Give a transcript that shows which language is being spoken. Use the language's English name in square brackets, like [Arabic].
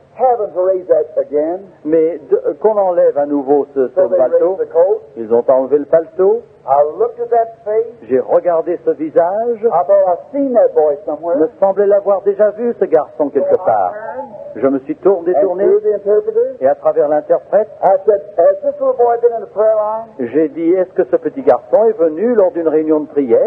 [English] Heaven to raise that again. [French] Mais qu'on enlève à nouveau ce paletot. [English] So [French] ils ont enlevé le paletot. [English] I looked at that face. [French] J'ai regardé ce visage. [English] I thought I'd seen that boy somewhere. [French] Me semblait l'avoir déjà vu ce garçon quelque part. Je me suis tourné, détourné. Et à travers l'interprète. [English] I said, has this little boy been in the prayer line? [French] J'ai dit, est-ce que ce petit garçon est venu lors d'une réunion de prière?